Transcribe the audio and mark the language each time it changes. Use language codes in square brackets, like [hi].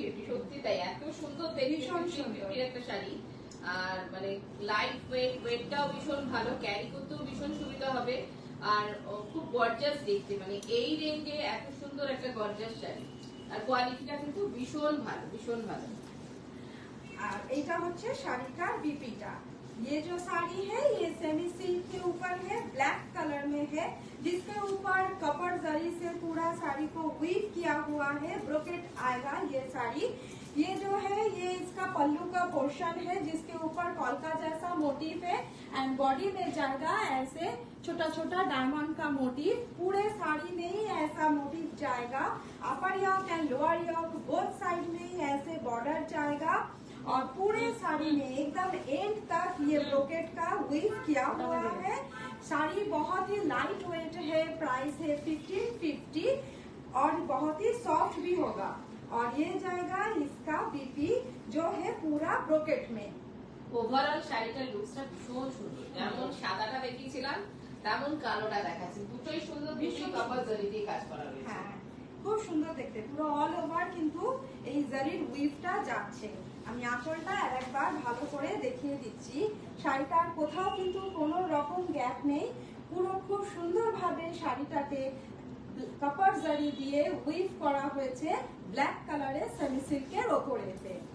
[bn] সত্যি তাই এত সুন্দর, ভীষণ সুন্দর একটা শাড়ি, আর মানে লাইট ওয়েট, ওয়েটটাও ভীষণ ভালো, ক্যারি করতেও ভীষণ সুবিধা হবে, আর খুব গর্জাস দেখতে, মানে এই রেঞ্জে এত সুন্দর একটা গর্জাস শাড়ি, আর কোয়ালিটিটা কিন্তু ভীষণ ভালো, ভীষণ ভালো। আর এটা হচ্ছে শাড়িটার বিপিটা। [hi] ये जो साड़ी है ये सेमी सिल्क के ऊपर है, ब्लैक कलर में है, जिसके ऊपर कपड़ जरी से पूरा साड़ी को वीव किया हुआ है, ब्रोकेट आएगा ये साड़ी। ये जो है ये इसका पल्लू का पोर्शन है, जिसके ऊपर कॉलका जैसा मोटी मोटिफ है एंड बॉडी में जाएगा ऐसे छोटा छोटा डायमंड का मोटिफ, पूरे साड़ी में ही ऐसा मोटिफ जाएगा, अपर योक and lower yoke both side में ही ऐसे बॉर्डर जाएगा और पूरे साड़ी में एकदम एंड तक ये ब्रोकेट का वीव किया हुआ है। साड़ी बहुत ही लाइट वेट है, प्राइस है 1550 और बहुत ही सॉफ्ट भी होगा और ये जाएगा इसका बीपी जो है पूरा ब्रोकेट में। [bn] ওভারঅল শাড়িটার লুকটা ভীষণ সুন্দর, যেমন সাদাটা দেখিয়েছিলাম তেমন কালোটা দেখাচ্ছে, দুটোই সুন্দর ভীষণ কাপড় জরি দিয়ে কাজ করা রয়েছে। খুব সুন্দর দেখতে পুরো অল ওভার, কিন্তু এই জারির উইভটা যাচ্ছে। আমি আঁচলটা আরেকবার ভালো করে দেখিয়ে দিচ্ছি, শাড়িটার কোথাও কিন্তু কোনো রকম গ্যাপ নেই, পুরো খুব সুন্দরভাবে শাড়িটাকে কাপড় জারি দিয়ে উইভ করা হয়েছে ব্ল্যাক কালারে সেমি সিল্কের ওপরেতে।